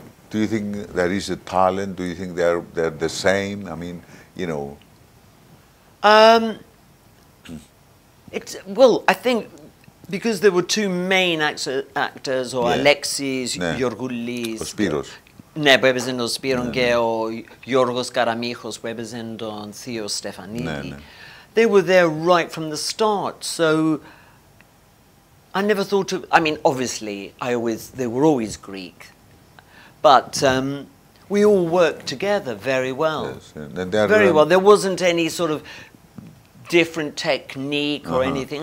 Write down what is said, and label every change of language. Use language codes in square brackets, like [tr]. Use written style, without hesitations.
[en] Do you think there is a talent? Do you think they're the same? I mean, you know. I think because there were two main actors, or Alexis Yorgoulis. [el] Ο Σπύρος. Ναι, που έπαιζε τον Σπύρο και ο Γιώργος Καραμίχος που έπαιζε τον Θείο Στεφανίδη. Ναι, ναι. [en] They were there right from the start, so I never thought of, I mean, obviously, they were always Greek. But we all worked together very well. Yes, and very well. There wasn't any sort of different technique or anything.